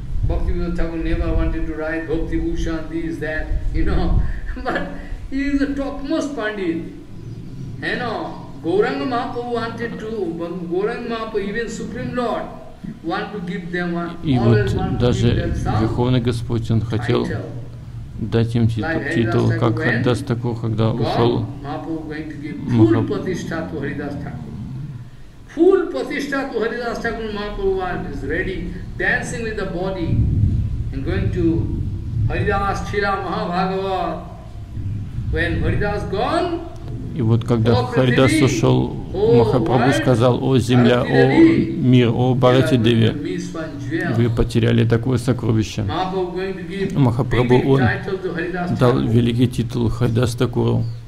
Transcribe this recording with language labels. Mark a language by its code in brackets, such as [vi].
[en] Bhaktivinoda Thakur never wanted to write Bhakti Bhushan, this, that, you know. But he is the topmost Pandit. You know, Gauranga Mahaprabhu wanted to, but Gauranga Mahaprabhu, even Supreme Lord, want to give them one, always want to give them some. [ru] И вот даже Верховный Господь, Он хотел дать им титул, как Харидас Такур, когда ушел. [en] Mahaprabhu going to give full Pratishtha to Haridas Thakur. Full Pratishtha to Haridas Thakur, Mahaprabhu is ready, dancing with the body, and going to Haridas Chila Mahabhagavat. When Haridas gone, [ru] и вот когда Харидас ушел, Махапрабху сказал: «О земля, о мир, о Бхарати Деви, вы потеряли такое сокровище». Махапрабху, он дал великий титул Харидас Такуру.